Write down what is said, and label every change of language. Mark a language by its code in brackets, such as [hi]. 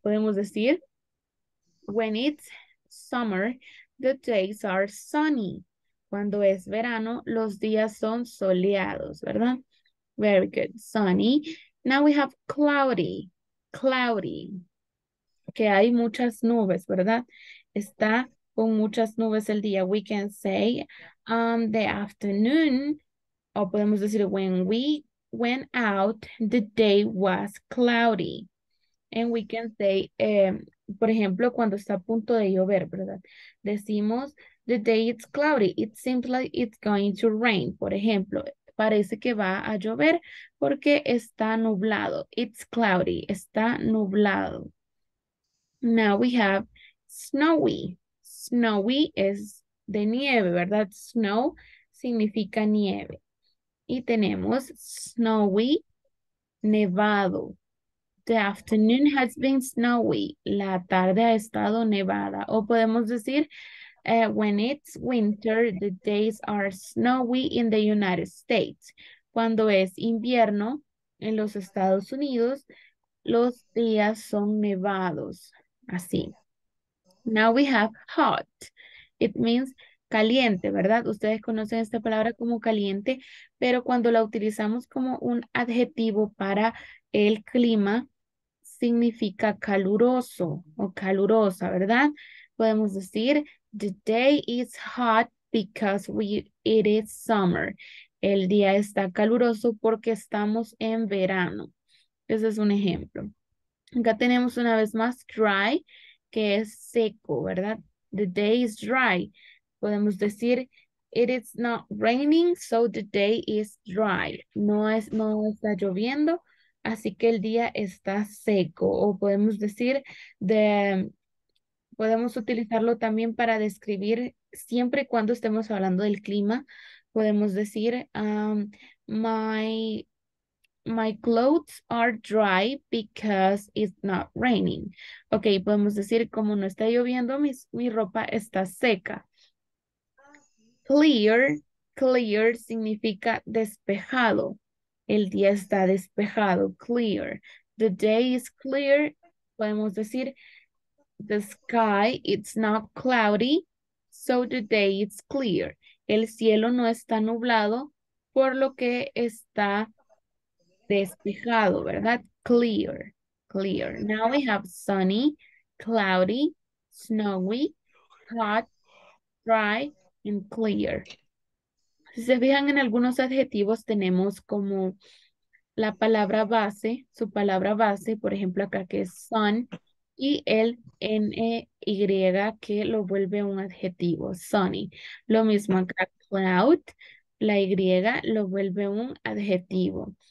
[en] Podemos decir, when it's summer, the days are sunny. [es] Cuando es verano, los días son soleados, ¿verdad? [en] Very good. Sunny. Now we have cloudy. Cloudy. [es] Que hay muchas nubes, ¿verdad? Está con muchas nubes el día. [en] We can say the afternoon, o podemos decir when we went out, the day was cloudy. [es] And we can say, por ejemplo, cuando está a punto de llover, ¿verdad? [en] Decimos, the day it's cloudy, it seems like it's going to rain. [es] Por ejemplo, parece que va a llover porque está nublado. [en] It's cloudy, está nublado. Now we have snowy. [es] Snowy es de nieve, ¿verdad? Snow significa nieve. Y tenemos snowy, nevado. [en] The afternoon has been snowy. La tarde ha estado nevada. O podemos decir, when it's winter, the days are snowy in the United States. [es] Cuando es invierno en los Estados Unidos, los días son nevados. Así. [en] Now we have hot. It means caliente, ¿verdad? [es] Ustedes conocen esta palabra como caliente, pero cuando la utilizamos como un adjetivo para el clima, significa caluroso o calurosa, ¿verdad? [en] Podemos decir, the day is hot because it is summer. [es] El día está caluroso porque estamos en verano. Ese es un ejemplo. Acá tenemos una vez más dry, que es seco, ¿verdad? [en] The day is dry. Podemos decir, it is not raining, so the day is dry. [es] No está lloviendo, así que el día está seco. O podemos decir, Podemos utilizarlo también para describir, siempre y cuando estemos hablando del clima, podemos decir, my clothes are dry because it's not raining. Ok, podemos decir, como no está lloviendo, mi ropa está seca. Clear significa despejado. [en] El día está despejado, clear. The day is clear, podemos decir, the sky is not cloudy, so the day is clear. [es] El cielo no está nublado, por lo que está despejado, ¿verdad? [en] Clear, clear. Now we have sunny, cloudy, snowy, hot, dry, and clear. [es] Si se fijan, en algunos adjetivos tenemos como la palabra base, su palabra base, por ejemplo acá que es sun, y el N-Y que lo vuelve un adjetivo, sunny. Lo mismo acá, cloud, la Y lo vuelve un adjetivo.